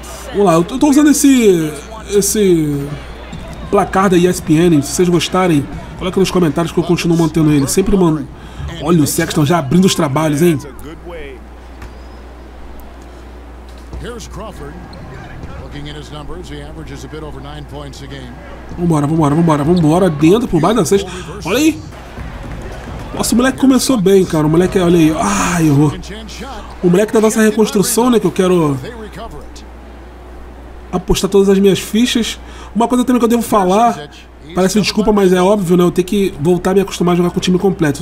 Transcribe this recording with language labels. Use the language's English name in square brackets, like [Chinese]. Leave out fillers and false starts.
[Portuguese] Vamos lá, eu tô usando esse placar da ESPN, se vocês gostarem, coloca nos comentários que eu continuo mantendo ele. Sempre mano. Olha o Sexton já abrindo os trabalhos, hein? [English] Here's Crawford. Looking in his numbers, he averages a bit over 9 points a game. [Portuguese] Vambora dentro por baixo da cesta. Olha aí. Nossa, o moleque começou bem, cara. O moleque, olha aí. Ai, errou. O moleque da nossa reconstrução, né? Que eu quero apostar todas as minhas fichas. Uma coisa também que eu devo falar, parece desculpa, mas é óbvio, né? Eu tenho que voltar a me acostumar a jogar com o time completo.